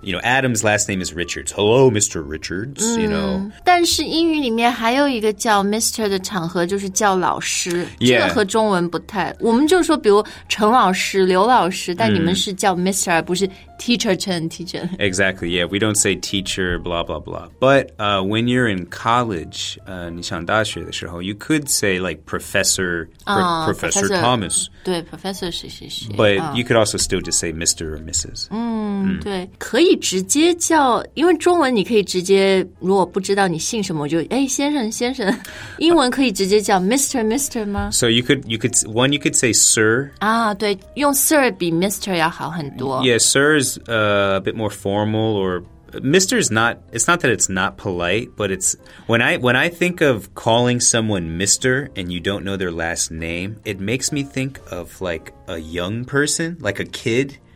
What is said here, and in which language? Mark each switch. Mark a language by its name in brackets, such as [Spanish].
[English] you know Adam's last name is Richards hello Mr. Richards、you know [Chinese] 但是英语里面还有一个叫 Mr. 的场合就是叫老师、 [English] yeah. [Chinese] 这个和中文不太我们就说比如陈老师刘老师但你们是叫 Mr.、Mm-hmm. 而不是 [English] teacher Chen teacher. Exactly, yeah, we don't say teacher, blah, blah, blah. But、when you're in college,、 [Chinese] 你上大学的时候 [English] you could say like professor,、professor Thomas. [Chinese] 对 professor 谁谁谁 [English] But、you could also still just say Mr. or Mrs. [Chinese] 嗯、对可以直接叫因为中文你可以直接如果不知道你姓什么就哎先生先生英文可以直接叫 Mr. Mr. 吗 [English] So you could, one, you could say sir. [Chinese] 啊对用 sir 比 Mr. 要好很多 [English] Yeah, sir is a bit more formal or Mr. is not, it's not that it's not polite, but it's, when I think of calling someone Mr. and you don't know their last name, it makes me think of like a young person, like a kid.